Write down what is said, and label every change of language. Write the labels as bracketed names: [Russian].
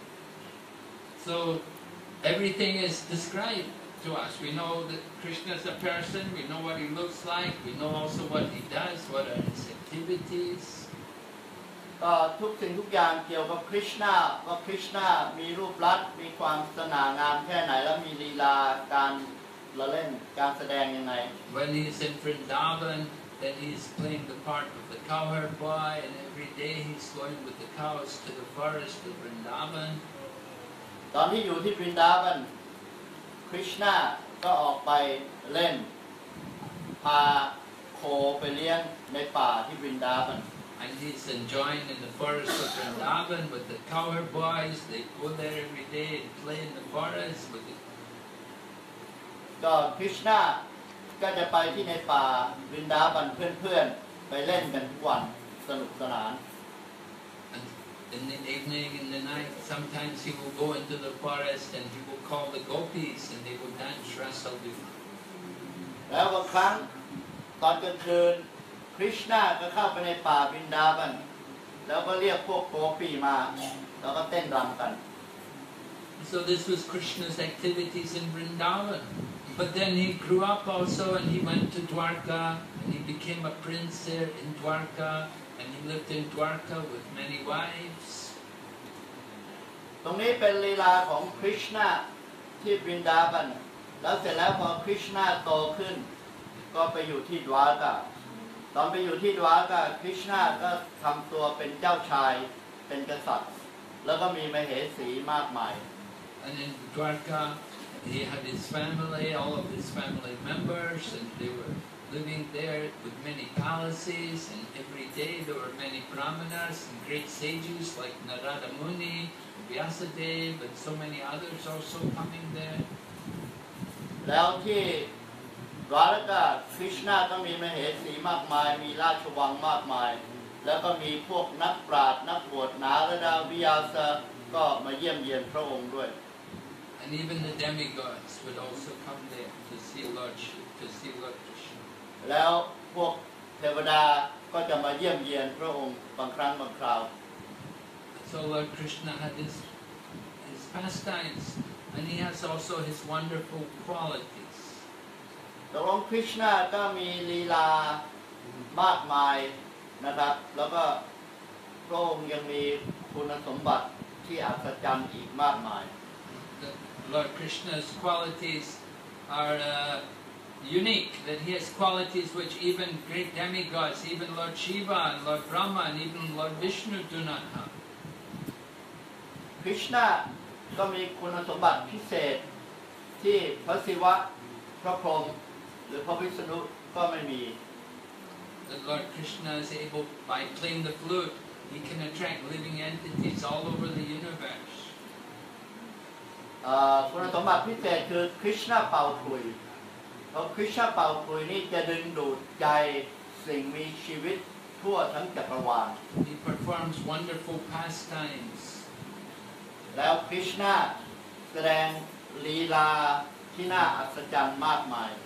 [English] ๆ so everything is described to us we know that Krishna is a person we know what he looks like we know also what he does what are his activites [Thai] ทุกสิ่งทุกอย่างเกี่ยวกับคริสต์นาว่าคริสต์นามีรูปลักษณ์มีความสง่างามแค่ไหนและมีลีลาการละเล่นการแสดงยังไง [English] When he is in Vrindavan then he is playing the part of the cowherd boy and every day he is going with the cows to the forest of Vrindavan [Thai] ตอนที่อยู่ที่ Vrindavan คริสต์นาก็ออกไปเล่นพาโคไปเลี้ยงในป่าที่ Vrindavan [English] And he's enjoying in the forest of Vrindavan with the cowherd boys. They go there every day and play in the forest with the Krishna [Thai] ก็จะไปที่ในป่าวินดาบันเพื่อนๆไปเล่นกันทุกวันสนุกสนาน [English] In the evening, in the night, sometimes he will go into the forest and he will call the gopis and they will dance rasalila. [Thai] แล้วบางครั้งตอนกลางคืนคริชนาก็เข้าไปในป่าวินดาบันแล้วก็เรียกพวกโกปีมาแล้วก็เต้นรำกัน [English] So this was Krishna's activities in Vrindavan. But then he grew up also and he went to Dwarka and he became a prince there in Dwarka and he lived in Dwarka with many wives. [Thai] ตรงนี้เป็นลีลาของคริชนาที่วรินดาบันแล้วเสร็จแล้วพอคริชนาโตขึ้นก็ไปอยู่ที่ดวารกาตอนไปอยู่ที่ดวารกาคริชนาก็ทำตัวเป็นเจ้าชายเป็นกษัตริย์แล้วก็มีมเหสีมากมาย [English] And in Dwarka, he had his family, all of his family members, and they were living there with many palaces, and every day there were many brahmanas and great sages like Narada Muni, Vyasadeva, and so many others also coming there. [Thai] แล้วที่ Dwarka, Krishna ก็มีมเหสีมากมายมีราชวังมากมายแล้วก็มีพวกนักปราชญ์นักบวชนารดาวิยาสก็มาเยี่ยมเยียนพระองค์ด้วย [English] And even the demigods would also come there to see Lord Shiva, to see Lord Krishna. [Thai] แล้วพวกเทวดาก็จะมาเยี่ยมเยียนพระองค์บางครั้งบางคราว [English] So Lord Krishna had his pastimes, and he has also his wonderful qualities. [Thai] ตรงคริชนาก็มีลีลามากมายนะครับแล้วก็พระองค์ยังมีคุณสมบัติที่อัศจรรย์อีกมากมาย [English] Lord Krishna's qualities are unique, that he has qualities which even great demigods, even Lord Shiva and Lord Brahma and even Lord Vishnu do not have. [Thai] Krishna ก็มีคุณสมบัติพิเศษที่พระศิวะพระพรหมหรือพระวิษณุก็ไม่มี [English] That Lord Krishna is able, by playing the flute, he can attract living entities all over the universe. [Thai] คุณสมบัติพิเศษคือคริชนาเป่าคุยเพราะคริชนาเป่าคุยนี่จะดึงดูดใจสิ่งมีชีวิตทั่วทั้งจักรวาล [English] He performs wonderful pastimes [Thai] แล้วคริชนาแสดงลีลาที่น่าอัศจรรย์มากมาย